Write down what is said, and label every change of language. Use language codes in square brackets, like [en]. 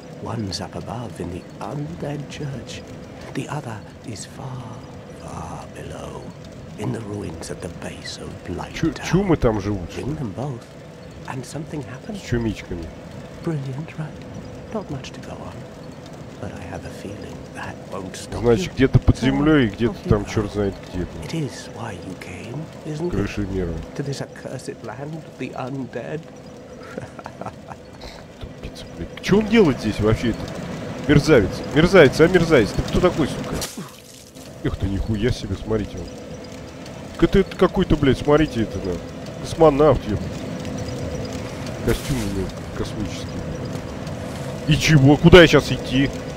[en] One's up above in the undead church. The other is far, far below, in the ruins at the base of Blight. [ru] Чумы там живут. [en] Ring them both, and something happens. [ru] С чумичками. [en] Brilliant, right? Not much to go on, but I have a feeling that won't stop you. [ru] Значит, где-то под землей, где-то там, черт знает где. [en] It is why you came, isn't it? [ru] Крыши мира. [en] To this accursed land of the undead. [ru] Что он делает здесь вообще, этот мерзавец? Мерзавец, а мерзавец? Ты кто такой, сука? Эх ты, нихуя себе, смотрите. Так это какой-то, блядь, смотрите, это, да. Космонавт, ебать. Костюм у него космический. И чего? Куда я сейчас идти?